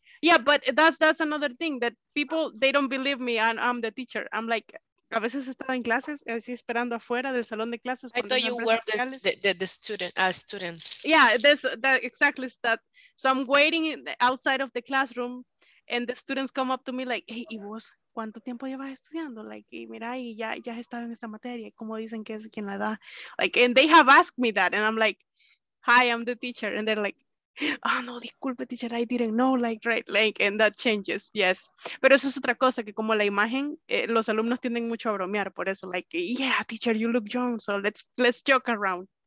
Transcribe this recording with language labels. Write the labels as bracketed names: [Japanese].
[English] Yeah, but that's another thing that people, they don't believe me and I'm the teacher. [Spanish] I'm like, a veces estaba en clases, así esperando afuera del salón de clases. [English] I thought you were the student, a student. Yeah, exactly that. So I'm waiting outside of the classroom and the students come up to me like, hey, Ivos, [Spanish] ¿cuánto tiempo llevas estudiando? Like, y mira, y ya, ya has estado en esta materia, como dicen que es quien la da. [English] Like, and they have asked me that, and I'm like, hi, I'm the teacher. And they're like, oh, no, disculpe, teacher, I didn't know, like, right, like, and that changes, yes. [Spanish] Pero eso es otra cosa, que como la imagen, los alumnos tienden mucho a bromear por eso, like, yeah, teacher, you look young, so let's joke around.